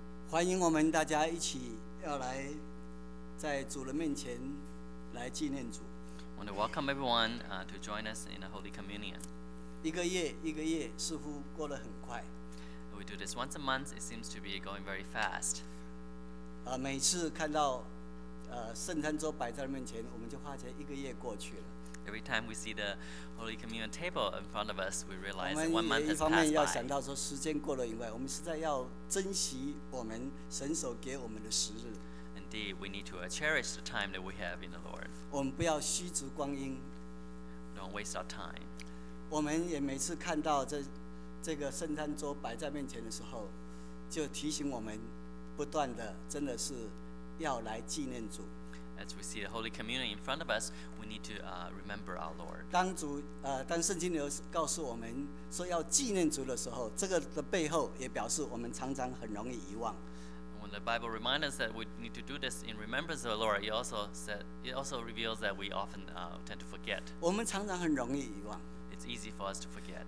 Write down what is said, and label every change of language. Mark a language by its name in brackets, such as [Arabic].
[Chinese] 欢迎我们大家一起要来在主的面前来纪念主。 [English] I want to welcome everyone to join us in the Holy Communion. [Chinese] 一个月一个月似乎过得很快。 [English] We do this once a month. It seems to be going very fast. [Chinese] 每次看到圣餐桌摆在面前，我们就发觉一个月过去了。 [English] Every time we see the Holy Communion table in front of us, we realize that 1 month has passed by. [Chinese] 我们也一方面要想到说时间过了以外，我们实在要珍惜我们神所给我们的时日。 [English] And indeed we need to cherish the time that we have in the Lord. [Chinese] 我们不要虚掷光阴。 [English] Don't waste our time. [Chinese] 我们也每次看到这个圣餐桌摆在面前的时候，就提醒我们不断的真的是要来纪念主。 [English] As we see the Holy Communion in front of us, we need to remember our Lord. [Chinese] 当圣经里告诉我们说要纪念主的时候，这个的背后也表示我们常常很容易遗忘。 [English] When the Bible reminds us that we need to do this in remembrance of the Lord, it also reveals that we often tend to forget. [Chinese] 我们常常很容易遗忘。 [English] It's easy for us to forget.